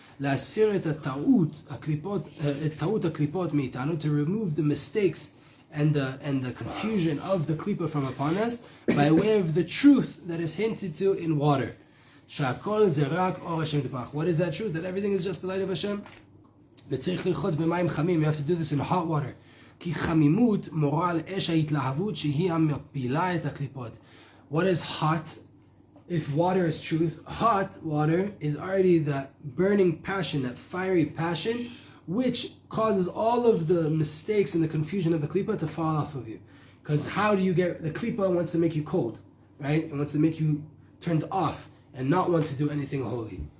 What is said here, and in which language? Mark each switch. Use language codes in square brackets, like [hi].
[he] להסיר את הטעות הקליפות, מאיתנו, [en] to remove the mistakes and the confusion of the klipa from upon us, by way of the truth that is hinted to in water. [he] שהכל זה רק אור השם דבח. [en] What is that truth? That everything is just the light of Hashem? [he] וצריך לרחוץ במים חמים, [en] you have to do this in hot water. [he] כי חמימות מורה על אש ההתלהבות שהיא המפילה את הקליפות. [en] What is hot? If water is truth, hot water is already that burning passion, that fiery passion, which causes all of the mistakes and the confusion of the klipa to fall off of you. Because how do you get... The klipa wants to make you cold, right? It wants to make you turned off and not want to do anything holy.